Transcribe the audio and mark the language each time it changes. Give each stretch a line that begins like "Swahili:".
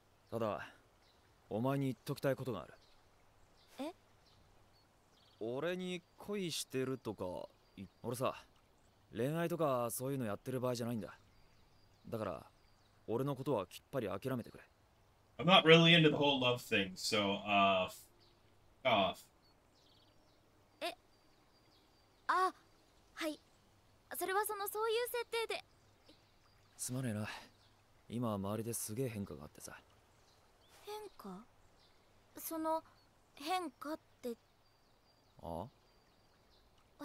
Japanese: ただ、お前に言っときたいことがある。え？俺に恋してるとか、俺さ、恋愛とかそういうのやってる場合じゃないんだ。だから、俺のことはきっぱり諦めてくれ。
English: I'm not really into the whole love thing, so, fuck off.
Japanese: え、あ、はい。それはその、そういう設定で。すまねえな。今は周りですげえ変化があってさ。変化？その、変化って。ああ